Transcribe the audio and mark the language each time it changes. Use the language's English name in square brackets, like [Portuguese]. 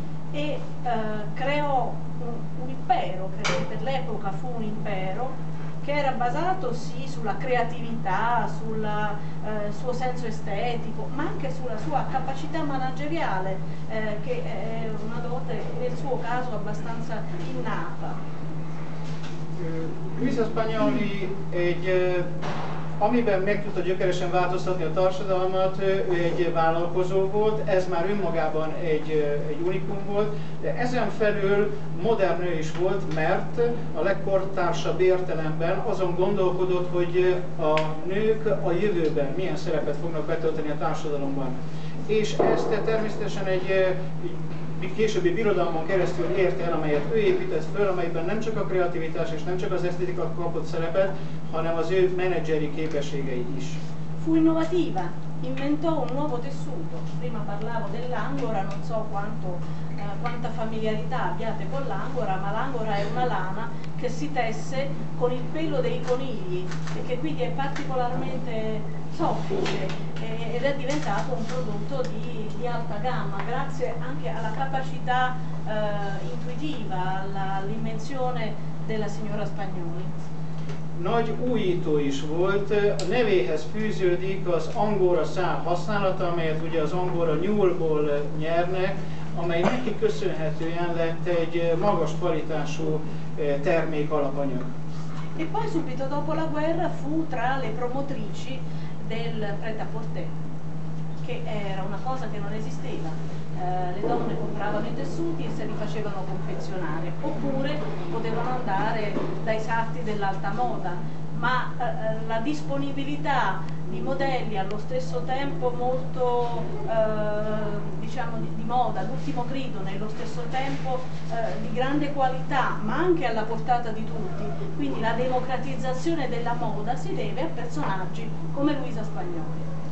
[Italian] e creò un impero, che per l'epoca fu un impero, che era basato sì sulla creatività, sul suo senso estetico, ma anche sulla sua capacità manageriale, che è una dote nel suo caso abbastanza innata. [Hungarian] Luisa Spagnoli, amiben megtudta gyökeresen változtatni a társadalmat, egy vállalkozó volt, ez már önmagában egy unikum volt, de ezen felül modern nő is volt, mert a legkortársabb értelemben azon gondolkodott, hogy a nők a jövőben milyen szerepet fognak betölteni a társadalomban. És ezt természetesen egy későbbi birodalmon keresztül ért el, amelyet ő épített föl, amelyben nem csak a kreativitás és nem csak az esztétika kapott szerepet, hanem az ő menedzseri képességei is. [Italian] Fu innovativa, inventò un nuovo tessuto. Prima parlavo dell'angora, non so quanta familiarità abbiate con l'angora, ma l'angora è una lana che si tesse con il pelo dei conigli e che quindi è particolarmente soffice ed è diventato un prodotto di alta gamma, grazie anche alla capacità intuitiva, all'invenzione della signora Spagnoli. [Hungarian] Nagy újító is volt, a nevéhez fűződik az angora szál használata, amelyet ugye az angora nyúlból nyernek, amely neki köszönhetően lett egy magas kvalitású termék alapanyag. E poi subito dopo la guerra fu tra le promotrici del prêt-à-porter, che era una cosa che non esisteva. Le donne compravano i tessuti e se li facevano confezionare, oppure potevano andare dai sarti dell'alta moda, ma la disponibilità di modelli allo stesso tempo molto diciamo di moda, l'ultimo grido, nello stesso tempo di grande qualità, ma anche alla portata di tutti, quindi la democratizzazione della moda si deve a personaggi come Luisa Spagnoli.